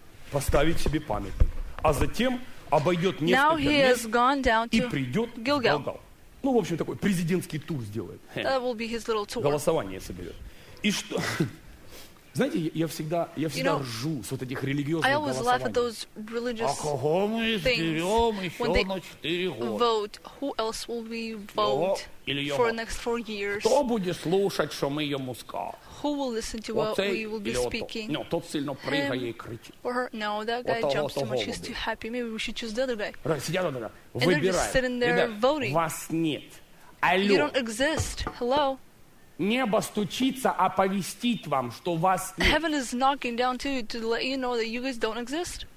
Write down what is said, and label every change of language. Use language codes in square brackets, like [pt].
[ru] Поставить себе памятник. А затем обойдет несколько мест и придет в Гилгал. Ну, в общем, такой президентский тур сделает. [en] That will be his little tour. [ru] Голосование соберет. И что? Знаете, я всегда ржу с вот этих религиозных голосований. А кого мы изберем еще на 4 года? [en] Vote. Who else will we vote for the next 4 years? [ru] Кто будет слушать, что мы ему скажем? [en] Who will listen to what we will be speaking? [ru] No, тот сильно прыгает и кричит. [en] Or her? No, that guy jumps too much, he's too happy. Maybe we should choose the other guy. [ru] Сидят вот так, выбирают. [en] And they're just sitting there voting. [ru] Вас нет. [en] You don't exist. Hello? [ru] Небо стучится, оповестить вам, что вас нет. [en] Heaven is knocking down to let you know that you guys don't exist.